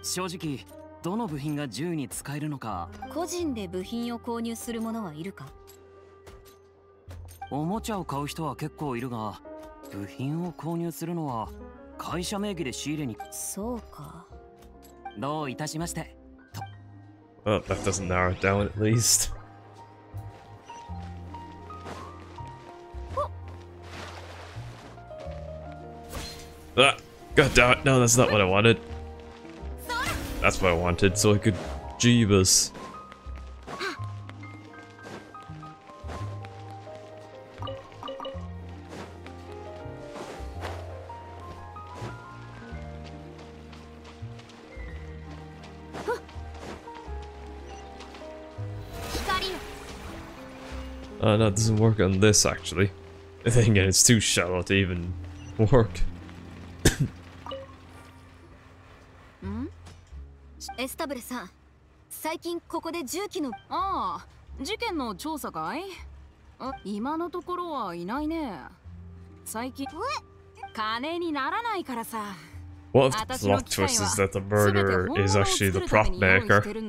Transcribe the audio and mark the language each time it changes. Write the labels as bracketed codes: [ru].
[ja] 正直どの部品が銃に使えるのか。個人で部品を購入する者はいるか。おもちゃを買う人は結構いるが、部品を購入するのは会社名義で仕入れに。そうか。どういたしまして。 [en] Well, that doesn't narrow it down at least. Ah, god damn it. No, that's not what I wanted. That's what I wanted, so I could Jeebus. Oh no, it doesn't work on this actually. Then again, it's too shallow to even work. [ja] Estabre-san, 最近ここで銃器の、ああ、事件の調査かい？今のところはいないね。最近、金にならないからさ。 [en] What if the plot twist is that the murderer is actually the prop maker?